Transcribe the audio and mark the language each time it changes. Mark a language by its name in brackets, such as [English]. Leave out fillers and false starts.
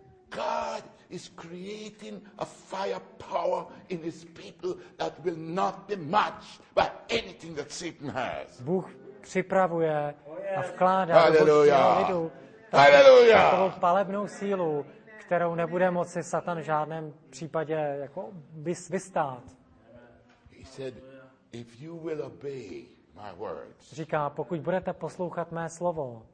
[English] God is creating a fire power in his people that will not be matched by anything that Satan has. [Czech] Bůh připravuje a vkládá do lidu takovou palebnou sílu, kterou nebude moci Satan v žádném případě jako vystát. [English] He said, if you will obey my words. [Czech] Říká, pokud budete poslouchat mé slovo,